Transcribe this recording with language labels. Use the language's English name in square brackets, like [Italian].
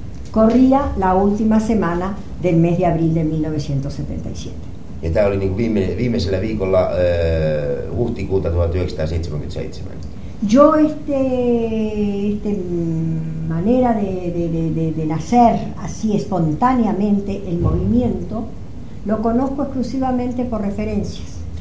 [Spanish] Corría la última semana del mes de abril de 1977. [Finnish] Ja tämä oli niin kuin viimeisellä viikolla huhtikuuta 1977. [Spanish] Yo este manera de nacer así espontáneamente el movimiento lo conozco exclusivamente por referencias.